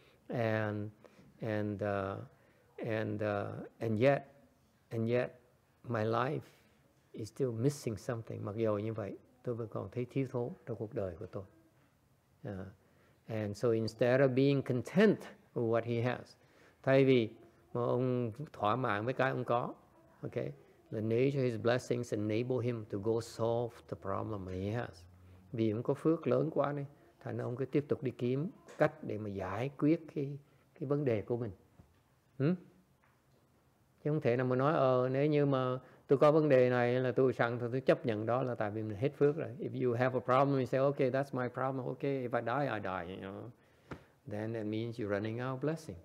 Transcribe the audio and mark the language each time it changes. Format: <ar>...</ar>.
<en>And yet my life is still missing something.</en> <vi>Mặc dù như vậy, tôi vẫn còn thấy thiếu thốn trong cuộc đời của tôi.</vi> <en>And so instead of being content with what he has,</en> <vi>thay vì mà ông thỏa mãn với cái ông có,</vi> <en>okay, the nature of his blessings enable him to go solve the problem he has.</en> <vi>Vì ông có phước lớn quá này, thành ông cứ tiếp tục đi kiếm cách để mà giải quyết cái vấn đề của mình. Chứ không thể nào mà nói, nếu như mà tôi có vấn đề này là tôi sẵn, tôi chấp nhận đó là tại vì mình hết phước rồi.</vi> <en>If you have a problem, you say, okay, that's my problem, okay, if I die, I die, you know. Then that means you're running out of blessing.</en>